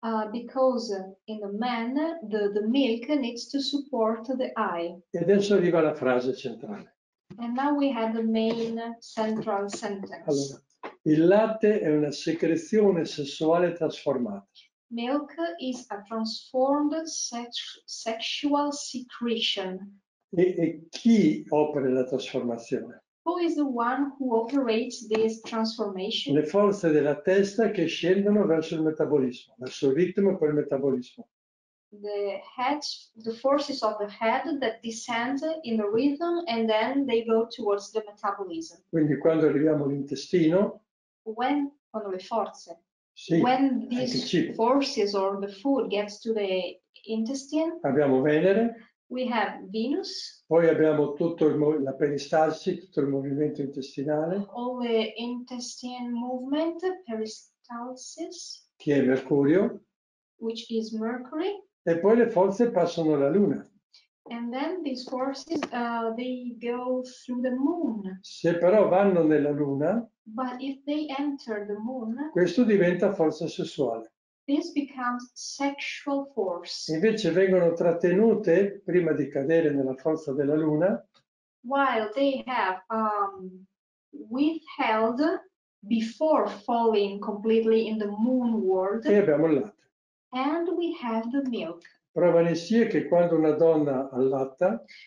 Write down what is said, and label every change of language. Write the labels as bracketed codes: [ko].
[en] Because in the man the milk needs to support the eye. [it] E adesso arriva la frase centrale. [en] And now we have the main central sentence. [it] Allora, il latte è una secrezione sessuale trasformata. [en] Milk is a transformed sexual secretion. [it] E chi opera la trasformazione? [en] Who is the one who operates this transformation? [it] Le forze della testa che scendono verso il metabolismo, verso il ritmo per il metabolismo. [en] The forces of the head that descend in the rhythm and then they go towards the metabolism. [it] Quindi quando arriviamo all'intestino. Quando le forze. Sì, [en] when these forces or the food gets to the intestine. [it] Abbiamo Venere. [en] We have Venus. [it] Poi abbiamo tutto la peristalsi, tutto il movimento intestinale. [en] All the intestine movement, peristalsis. [it] Che è Mercurio. [en] Which is Mercury. [it] E poi le forze passano la Luna. [en] And then these forces, they go through the Moon. [it] Se però vanno nella Luna. [en] But if they enter the Moon. [it] Questo diventa forza sessuale. [en] This becomes sexual force. [it] Invece vengono trattenute prima di cadere nella forza della luna. [en] While they have withheld before falling completely in the moon world. [it] E abbiamo il latte. [en] And we have the milk. [it] Prova ne sia che quando una donna allatta.